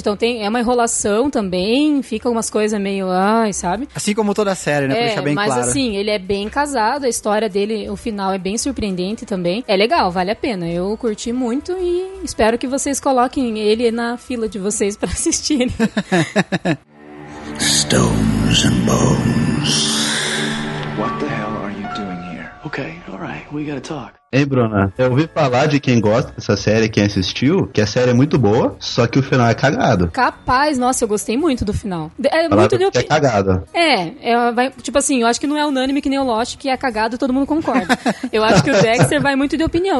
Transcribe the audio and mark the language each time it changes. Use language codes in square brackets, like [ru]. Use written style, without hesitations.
[pt] Então é uma enrolação também, fica umas coisas meio, ai, sabe? Assim como toda a série, né? É, pra deixar bem claro. Mas assim, ele é bem casado, a história dele, o final é bem surpreendente também. É legal, vale a pena. Eu curti muito e espero que vocês coloquem ele na fila de vocês pra assistirem. [en] Stones and Bones. What the hell are you doing here? Ok, all right, we gotta talk. [pt] Hein, Bruna? Eu ouvi falar de quem gosta dessa série, quem assistiu, que a série é muito boa, só que o final é cagado. Capaz, nossa, eu gostei muito do final. É muito de opinião. É cagado. É, vai, tipo assim, eu acho que não é unânime que nem o Lost, que é cagado e todo mundo concorda. Eu acho que o Dexter vai muito de opinião.